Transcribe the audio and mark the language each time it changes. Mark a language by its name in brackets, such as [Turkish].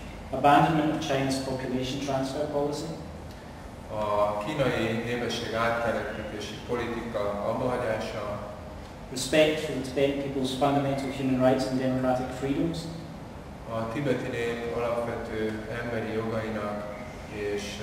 [English] Abandonment of Chinese population transfer policy. [Hungarian] A kínai népesség áttelepítési politika abbahagyása. [English] Respect for the Tibetan people's fundamental human rights and democratic freedoms. [Hungarian] A tibeti nép alapvető emberi jogainak és